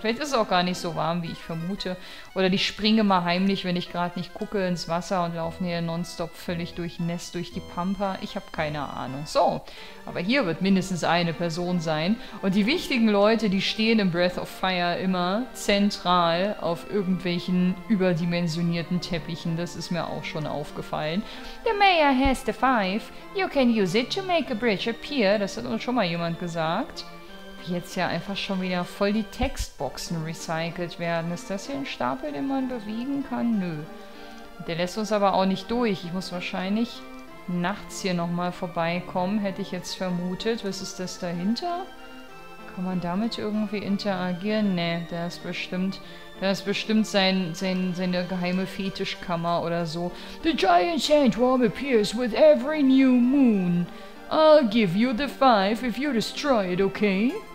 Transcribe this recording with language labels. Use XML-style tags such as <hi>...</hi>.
<de>Vielleicht ist es auch gar nicht so warm, wie ich vermute. Oder die springen mal heimlich, wenn ich gerade nicht gucke, ins Wasser und laufen hier nonstop völlig durchnässt durch die Pampa. Ich habe keine Ahnung. So, aber hier wird mindestens eine Person sein. Und die wichtigen Leute, die stehen im Breath of Fire immer zentral auf irgendwelchen überdimensionierten Teppichen. Das ist mir auch schon aufgefallen.</de> <en>The mayor has the five. You can use it to make a bridge appear.</en> <de>Das hat uns schon mal jemand gesagt. Wie jetzt ja einfach schon wieder voll die Textboxen recycelt werden. Ist das hier ein Stapel, den man bewegen kann? Nö. Der lässt uns aber auch nicht durch. Ich muss wahrscheinlich nachts hier nochmal vorbeikommen, hätte ich jetzt vermutet. Was ist das dahinter? Kann man damit irgendwie interagieren? Nee, der ist bestimmt... Das ist bestimmt seine geheime Fetischkammer oder so.</de> <en>The giant sandworm appears with every new moon. I'll give you the five if you destroy it, okay?</en>